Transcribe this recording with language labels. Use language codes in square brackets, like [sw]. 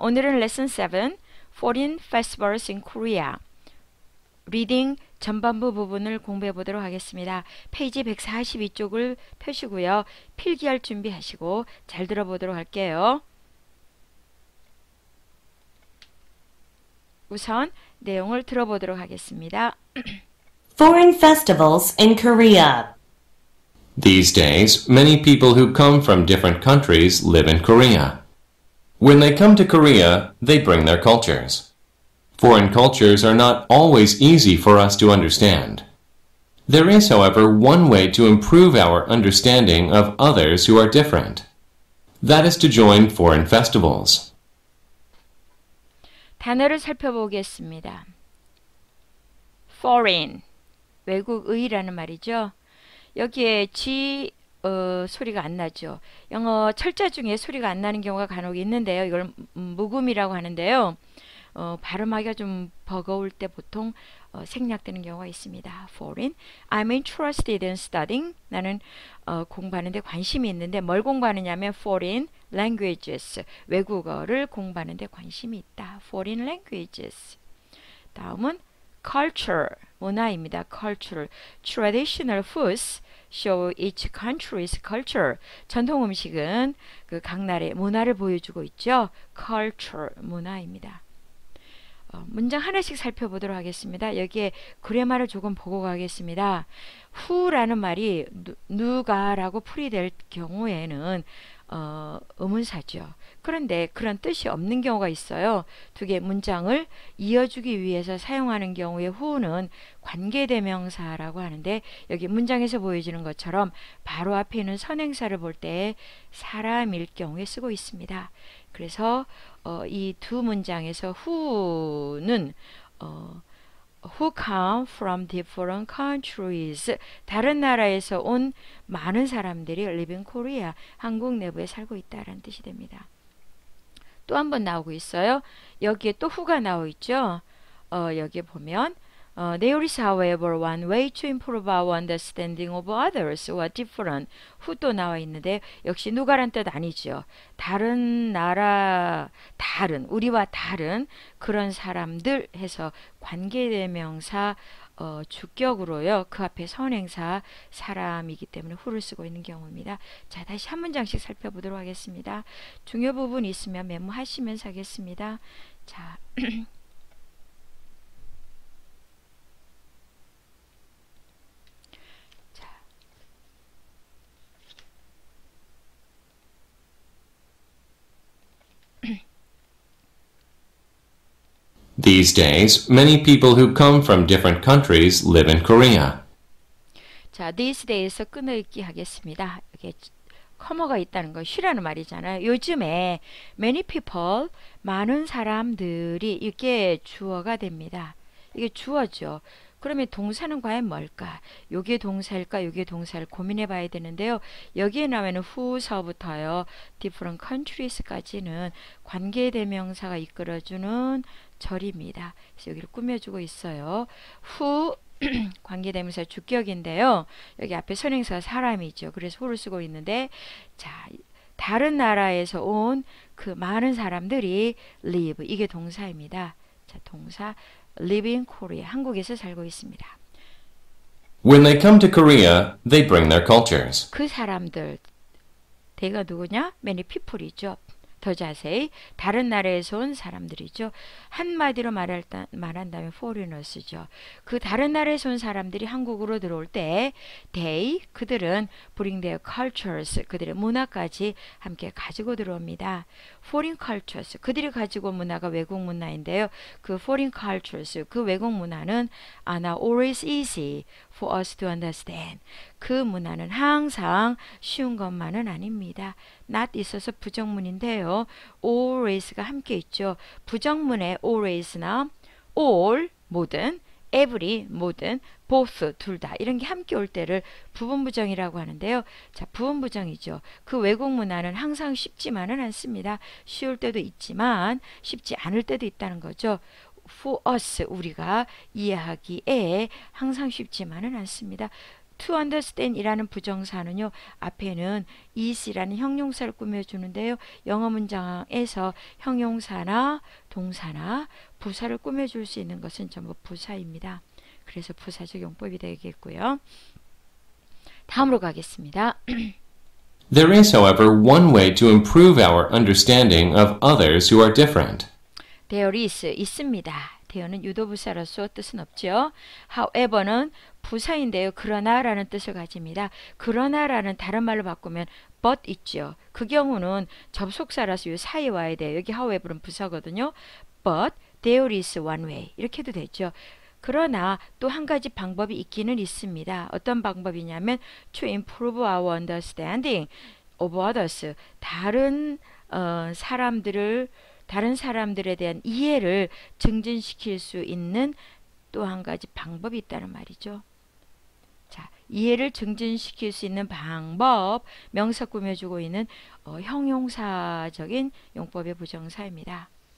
[ko] 오늘은 레슨 7, Foreign Festivals in Korea. 리딩 전반부 부분을 공부해 보도록 하겠습니다. 페이지 142쪽을 펴시고요. 필기할 준비하시고 잘 들어보도록 할게요. 우선 내용을 들어보도록 하겠습니다. [en] Foreign festivals in Korea. These days, many people who come from different countries live in Korea. When they come to Korea, they bring their cultures. Foreign cultures are not always easy for us to understand. There is, however, one way to improve our understanding of others who are different. That is to join foreign festivals. [ko] 단어를 살펴보겠습니다. Foreign, 외국의라는 말이죠. 여기에 G 소리가 안 나죠. 영어 철자 중에 소리가 안 나는 경우가 간혹 있는데요. 이걸 묵음이라고 하는데요. 발음하기가 좀 버거울 때 보통 생략되는 경우가 있습니다. [en] Foreign, I'm interested in studying. [ko] 나는 공부하는 데 관심이 있는데 뭘 공부하느냐면 Foreign languages, 외국어를 공부하는 데 관심이 있다. [en] Foreign languages. [ko] 다음은 culture, 문화입니다. [en] Culture, traditional foods show each country's culture. [ko] 전통 음식은 그각 나라의 문화를 보여주고 있죠. Culture, 문화입니다. 문장 하나씩 살펴보도록 하겠습니다. 여기에 그래마를 조금 보고 가겠습니다. Who라는 말이 누가라고 풀이될 경우에는 의문사죠. 그런데 그런 뜻이 없는 경우가 있어요. 두개 문장을 이어주기 위해서 사용하는 경우에 who는 관계대명사라고 하는데 여기 문장에서 보여지는 것처럼 바로 앞에 있는 선행사를 볼때 사람일 경우에 쓰고 있습니다. 그래서 이두 문장에서 who는 [en] who come from different countries [ko] 다른 나라에서 온 많은 사람들이 living Korea 한국 내부에 살고 있다라는 뜻이 됩니다. 또한번 나오고 있어요. 여기에 또 who가 나오고 있죠. 여기에 보면 [en] there is, however, one way to improve our understanding of others who are different. [ko] Who 또 나와 있는데 역시 누가란 뜻 아니죠. 다른 나라, 다른 우리와 다른 그런 사람들 해서 관계대명사 주격으로요. 그 앞에 선행사 사람이기 때문에 who를 쓰고 있는 경우입니다. 자, 다시 한 문장씩 살펴보도록 하겠습니다. 중요 부분 있으면 메모하시면서 하겠습니다. 자. [en] These days, many people who come from different countries live in Korea. [ko] 자, these days에서 끊어읽기 하겠습니다. 이게 커머가 있다는 거, she라는 말이잖아요. 요즘에 many people, 많은 사람들이 이게 주어가 됩니다. 이게 주어죠. 그러면 동사는 과연 뭘까? 요게 동사일까? 요게 동사를 고민해 봐야 되는데요. 여기에 나오는 who서부터요. different countries까지는 관계대명사가 이끌어주는 절입니다. 그래서 여기를 꾸며주고 있어요. who 관계대명사 주격인데요. 여기 앞에 선행사가 사람이죠. 그래서 who를 쓰고 있는데 자, 다른 나라에서 온그 많은 사람들이 live 이게 동사입니다. 자, 동사 living Korea 한국에서 살고 있습니다. [en] When they come to Korea, they bring their cultures. [ko] 그 사람들 대가 누구냐? many people이죠. 더 자세히 다른 나라에서 온 사람들이죠. 한마디로 말한다면 foreigners죠. 그 다른 나라에서 온 사람들이 한국으로 들어올 때 they 그들은 [en] bring their cultures [ko] 그들의 문화까지 함께 가지고 들어옵니다. foreign cultures 그들이 가지고 문화가 외국 문화인데요. [en] 그 foreign cultures [ko] 그 외국 문화는 [en] are not always easy for us to understand. [ko] 그 문화는 항상 쉬운 것만은 아닙니다. not 있어서 부정문인데요. always가 함께 있죠. 부정문에 always나 all, 모든, every, 모든, both, 둘 다. 이런 게 함께 올 때를 부분부정이라고 하는데요. 자, 부분부정이죠. 그 외국 문화는 항상 쉽지만은 않습니다. 쉬울 때도 있지만 쉽지 않을 때도 있다는 거죠. For us, 우리가 이해하기에 항상 쉽지만은 않습니다. to understand 이라는 부정사는요, 앞에는 is 이라는 형용사를 꾸며주는데요, 영어 문장에서 형용사나 동사나 부사를 꾸며줄 수 있는 것은 전부 부사입니다. 그래서 부사적 용법이 되겠고요. 다음으로 가겠습니다. [en] There is, however, one way to improve our understanding of others who are different. [ko] There is, 있습니다. There는 유도부사로서 뜻은 없죠. However는 부사인데요. 그러나라는 뜻을 가집니다. 그러나라는 다른 말로 바꾸면 but 있죠. 그 경우는 접속사라서 이 사이에 와야 돼요. 여기 however는 부사거든요. [en] But there is one way. [ko] 이렇게도 되죠. 그러나 또한 가지 방법이 있기는 있습니다. 어떤 방법이냐면 [en] to improve our understanding of others. [ko] 다른 사람들에 대한 이해를 증진시킬 수 있는 또한 가지 방법이 있다는 말이죠. 자, 이해를 증진시킬 수 있는 방법, 명사 꾸며주고 있는 형용사적인 용법의 부정사입니다.